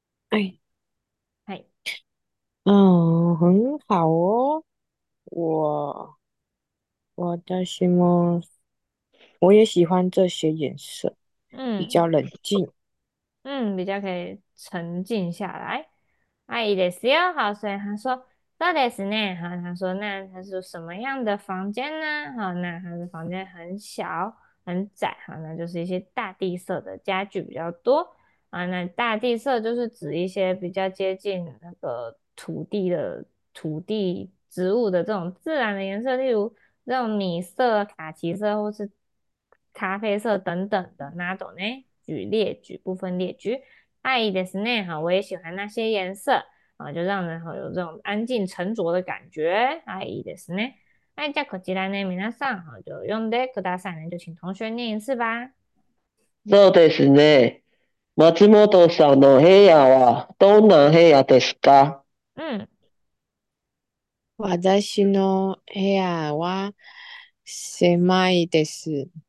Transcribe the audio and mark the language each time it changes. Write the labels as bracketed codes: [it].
[zh] 哎，很好哦，我的什么，我也喜欢这些颜色，比较冷静。比较可以沉静下来。 [ja] はいですよ。 [zh] 好，所以他说 [ja] そうですね。 [zh] 好，他说那他是什么样的房间呢？好，那他的房间很小很窄。好，那就是一些大地色的家具比较多。啊，那大地色就是指一些比较接近那个土地植物的这种自然的颜色，例如这种米色、卡其色或是咖啡色等等的那种呢？举部分列举。 [ja] 爱ですね， [zh] 好，我也喜欢那些颜色啊，就让人好有这种安静沉着的感觉。 [ja] 爱ですね。はい、じゃあこちらね、皆さん、好，就読んでくださいね、 [zh] 就请同学念一次吧。 [ja] そうですね。松本さんの部屋はどんな部屋ですか？私の部屋は狭いです。